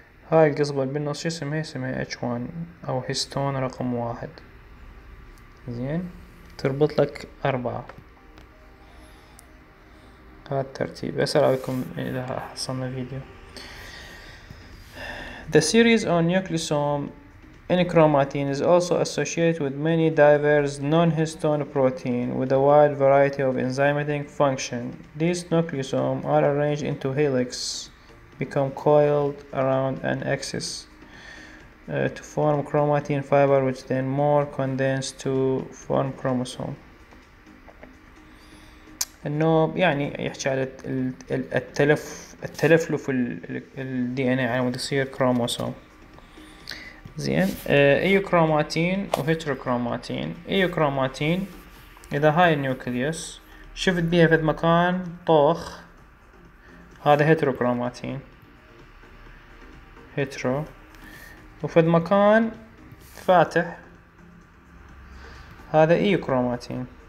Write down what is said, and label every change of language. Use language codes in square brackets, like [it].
[ar] هاي القصبة بالنص اسمها اتش وان او هيستون رقم واحد. زين تربط لك اربعة، هذا الترتيب. اسرع لكم اذا حصلنا فيديو. [en] The series on nucleosome in chromatin is also associated with many diverse non-histone protein with a wide variety of enzymatic function. These nucleosomes are arranged into helix, become coiled around an axis to form chromatin fiber, which then more condensed to form chromosome. [ar] انه يعني يحكي على التلفلف الدي ان اي على مود يصير كروموسوم. زين ايو كروماتين وهيترو كروماتين. ايو كروماتين اذا هاي النيوكليوس شفت بيها في مكان طوخ، هذا هيترو كروماتين هيترو، وفي مكان فاتح هذا ايو كروماتين.